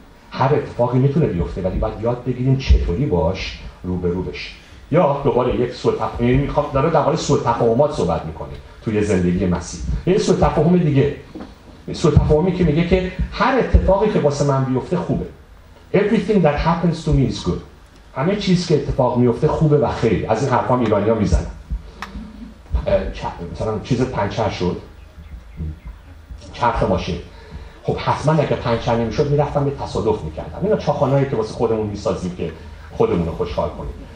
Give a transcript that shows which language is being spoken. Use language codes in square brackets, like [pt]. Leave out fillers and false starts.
[fa] هر اتفاقی میتونه بیفته، ولی باید یاد بگیریم چطوری باش روبرو بشیم. یا دوباره یک سوء تفاهم میخواد داره درباره سوء تفاهمات صحبت میکنه توی زندگی مسیح. یه سوء تفاهم دیگه، سوء تفاهمی که میگه که هر اتفاقی که واسه من بیفته خوبه. [en] Everything that happens to me is good. [fa] همه چیزی که اتفاق میفته خوبه و خیر. از این حرفا ایرانی ها میزنن. مثلا چیز پنچر شد، چرخ ماشین. خب حتما اگه پنچر نمیشد میرفتم به تصادف میکردم. اینا چاخانایی که واسه خودمون میسازیم که خودمون رو خوشحال کنیم.